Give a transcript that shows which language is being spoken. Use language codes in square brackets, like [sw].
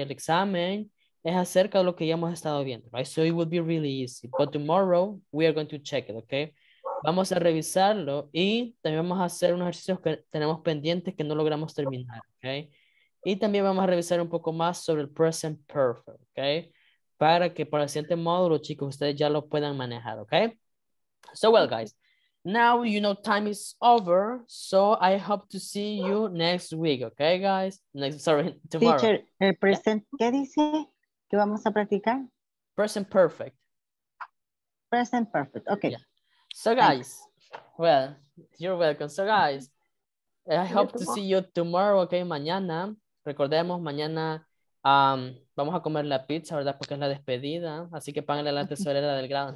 [es] El examen es acerca de lo que ya hemos estado viendo, right? [en] So it will be really easy. But tomorrow, we are going to check it, okay? [es] Vamos a revisarlo y también vamos a hacer unos ejercicios que tenemos pendientes que no logramos terminar, okay? Y también vamos a revisar un poco más sobre el present perfect, okay? Para que para el siguiente módulo, chicos, ustedes ya lo puedan manejar, okay? [en] So well, guys, now you know time is over, so I hope to see you next week, okay, guys? Tomorrow. [es] Teacher, el present, yeah. ¿Qué dice? ¿Qué vamos a practicar? [en] Present perfect. Present perfect, okay. Yeah. So guys, thanks. Well, you're welcome. So guys, I hope to see you tomorrow, okay? [es] Mañana, recordemos, mañana vamos a comer la pizza, ¿verdad? Porque es la despedida, así que pánganle la tesorera del grado.